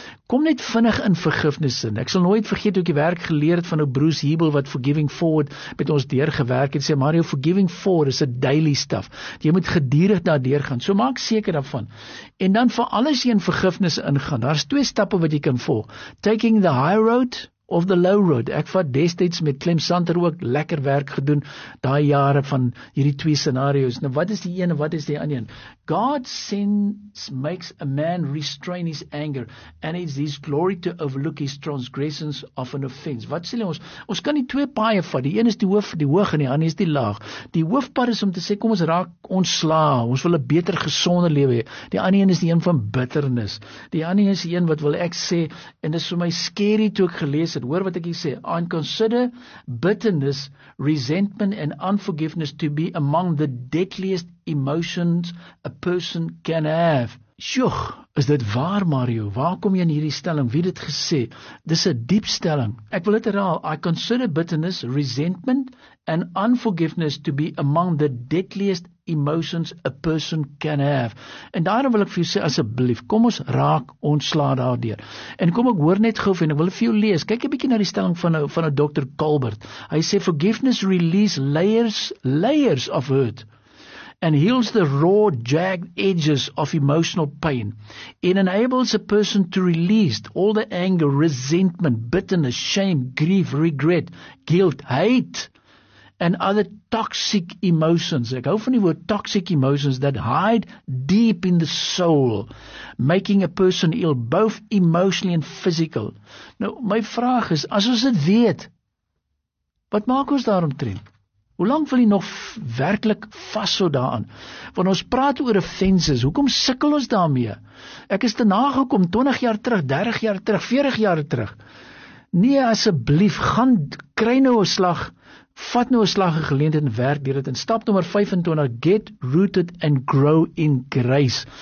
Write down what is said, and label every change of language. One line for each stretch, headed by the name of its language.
Afrikaans: Kom net vinnig in vergifnis in. Ek sal nooit vergeet hoe ek die werk geleer het van ou Bruce Hebel wat Forgiving Forward met ons deurgewerk het. Sê Mario,
English: Forgiving Forward is a daily stuff.
Afrikaans: Jy moet gedurig daardeur gaan. So maak seker daarvan. En dan vir alles in vergifnis ingaan. Daar's 2 stappe wat jy kan volg.
English: Taking the high road of the low road.
Afrikaans: Ek vat destyds met Clem Santer ook lekker werk gedoen daai jare van hierdie 2 scenario's. Nou wat is die een en wat is die ander een?
English: God sins makes a man restrain his anger and it's his glory to overlook his transgressions of an offense.
Afrikaans: Wat sê ons kan die 2 paaie vat. Die een is die hoof, die hoog en die ander is die laag. Die hoofpad is om te sê kom ons raak ontslae. Ons wil 'n beter gesonde lewe hê. Die ander een is die een van bitterness. Die ander is die een wat wil ek sê en dis vir my scary toe ek gelees sit, hoor wat ek hier sê.
English: I consider bitterness, resentment and unforgiveness to be among the deadliest emotions a person can have.
Afrikaans: Sjoeg, is dit waar, Mario? Waar kom jy in hierdie stelling? Wie het dit gesê? Dis 'n diep stelling. Ek wil dit herhaal.
English: I consider bitterness, resentment and unforgiveness to be among the deadliest emotions a person can have.
Afrikaans: En daarom wil ek vir jou sê, asseblief, kom ons raak ontsla daardeur. En kom, ek hoor net gou en ek wil vir jou lees. Kyk 'n bietjie na die stelling van Dr. Colbert. Hy sê,
English: forgiveness release layers of hurt and heals the raw, jagged edges of emotional pain. It enables a person to release all the anger, resentment, bitterness, shame, grief, regret, guilt, hate, and other toxic emotions.
Afrikaans: Ek hou van die woord
English: toxic emotions that hide deep in the soul, making a person ill, both emotionally and physical.
Afrikaans: Nou, my vraag is, as ons dit weet, wat maak ons daaromtrent? Hoe lang wil jy nog werklik vasso daaraan? Want ons praat oor offenses, hoekom sukkel ons daarmee? Ek is te nagekom 20 jaar terug, 30 jaar terug, 40 jaar terug. Nee, asseblief, gaan kry nou 'n slag, vat nou 'n slag 'n geleentheid en werk deur dit. En stap nommer 25,
English: get rooted and grow in grace.